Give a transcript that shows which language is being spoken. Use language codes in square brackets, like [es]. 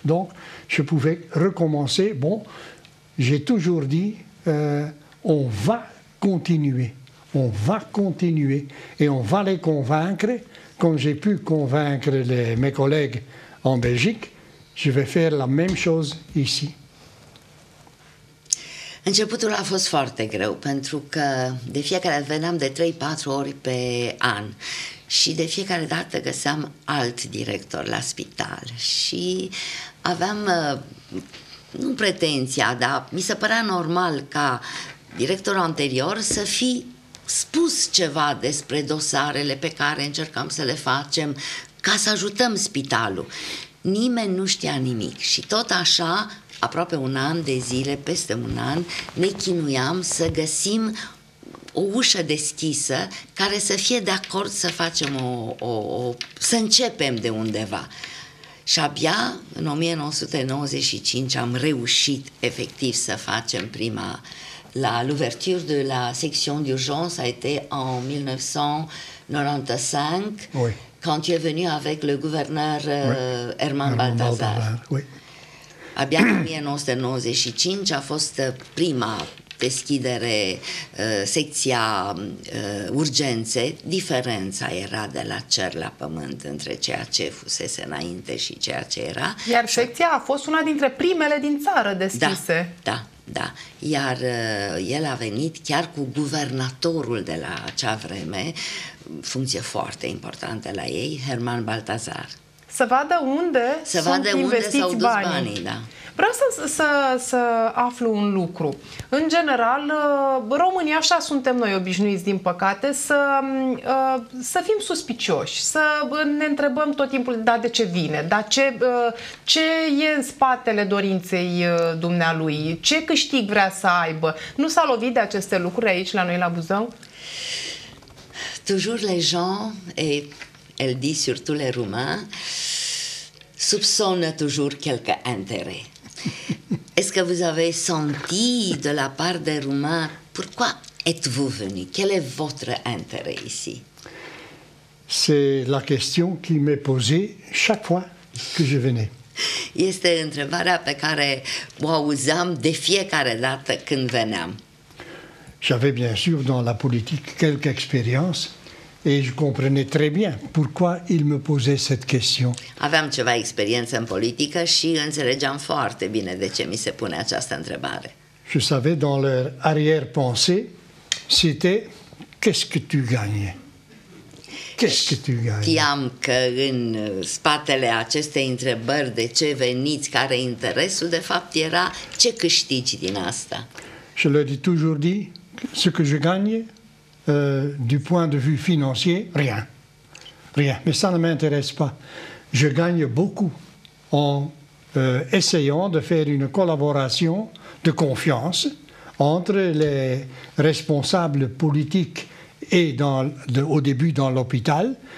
[fr] Donc, je pouvais recommencer. Bon, j'ai toujours dit, on va continuer. On va continuer et on va les convaincre. Comme j'ai pu convaincre mes collègues en Belgique, je vais faire la même chose ici. [ro] Începutul a fost foarte greu, pentru că de fiecare veneam de 3-4 ori pe an și de fiecare dată găseam alt director la spital și aveam, nu pretenția, dar mi se părea normal ca directorul anterior să fi spus ceva despre dosarele pe care încercam să le facem ca să ajutăm spitalul. Nimeni nu știa nimic și tot așa, aproape un an de zile, peste un an, ne chinuiam să găsim o ușă deschisă care să fie de acord să facem să începem de undeva. Și abia în 1995 am reușit efectiv să facem prima. [fr] L'ouverture de la section d'urgence a été en 1995, oui. Quand tu es venu avec le gouverneur oui. Herman Balthazar. Oui. [ro] Abia en 1995 a fost prima deschidere secția urgențe. Diferența era de la cer la pământ între ceea ce fusese înainte și ceea ce era. Iar secția a fost una dintre primele din țară deschise. Da, da. Da, iar el a venit chiar cu guvernatorul de la acea vreme, funcție foarte importantă la ei, Herman Balthazar. Să vadă unde să vadă sunt unde investiți s-au banii. Dus banii, da. Vreau să aflu un lucru. În general, România, așa suntem noi obișnuiți, din păcate, să fim suspicioși, să ne întrebăm tot timpul, da, de ce vine, da, ce e în spatele dorinței dumnealui, ce câștig vrea să aibă. Nu s-a lovit de aceste lucruri aici, la noi, la Buzău? [fr] Toujours les gens, et elle dit surtout les Roumains, soupçonnent toujours quelque intérêt. Est-ce que vous avez senti de la part des Roumains pourquoi êtes-vous venu? Quel est votre intérêt ici? C'est la question qui m'est posée chaque fois que je venais. [ro] Este întrebarea pe care o auzeam de fiecare dată când veneam. [fr] J'avais bien sûr dans la politique quelque expérience et je comprenais très bien pourquoi il me posait cette question. [ro] Aveam ceva experiență în politică și înțelegeam foarte bine de ce mi se pune această întrebare. [fr] Je savais dans leur arrière-pensée, c'était qu'est-ce que tu gagnais? Qu'est-ce que tu gagnais? [ro] Știam că în spatele acestei întrebări de ce veniți, care interesul de fapt era ce câștigi din asta. [fr] Je leur ai toujours dit ce que je gagnais. Du point de vue financier, rien. Rien. Mais ça ne m'intéresse pas. Je gagne beaucoup en essayons de faire une collaboration de confiance entre les responsables politiques et au début dans l'hôpital.